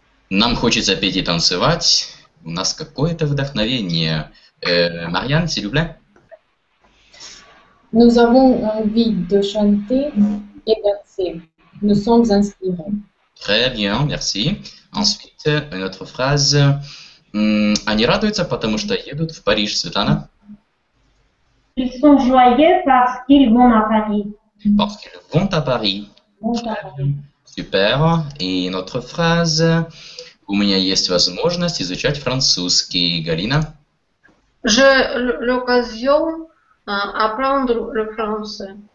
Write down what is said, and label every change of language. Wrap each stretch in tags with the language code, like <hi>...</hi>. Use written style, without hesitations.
<ru>Нам хочется петь и танцевать. У нас какое-то вдохновение. Марьян,</ru> <fr>s'il vous plaît. Nous avons envie de chanter et danser. Nous sommes inspirés. Très bien, merci. Ensuite, notre phrase.</fr> <ru>Они радуются, потому что едут в Париж, Светлана.</ru> <fr>Ils sont joyeux parce qu'ils vont à Paris. Parce qu'ils vont à Paris. Super. Et notre phrase.</fr> <ru>У меня есть возможность изучать французский, Галина.</ru> <fr>J'ai l'occasion d'apprendre le français.</fr>